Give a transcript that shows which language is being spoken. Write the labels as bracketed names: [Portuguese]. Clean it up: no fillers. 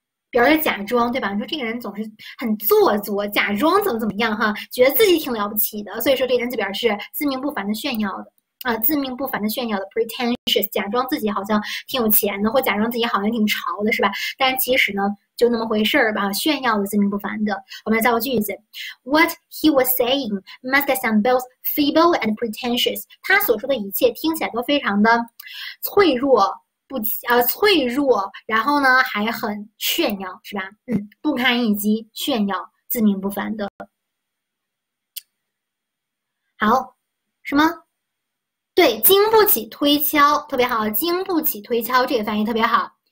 [Chinese] 表示假装，对吧？你说这个人总是很做作，假装怎么样哈，觉得自己挺了不起的，所以说这个人就表示自命不凡的炫耀的啊，自命不凡的炫耀的 pretentious，假装自己好像挺有钱的，或假装自己好像挺潮的，是吧？但其实呢，就那么回事儿吧，炫耀的自命不凡的。我们来造个句子： [English] What he was saying must sound both feeble and pretentious。 [Chinese] 他所说的一切听起来都非常的脆弱。不，脆弱，然后呢，还很炫耀，是吧？不堪一击，炫耀，自命不凡的。好，什么？对，经不起推敲，特别好，经不起推敲，这个翻译特别好。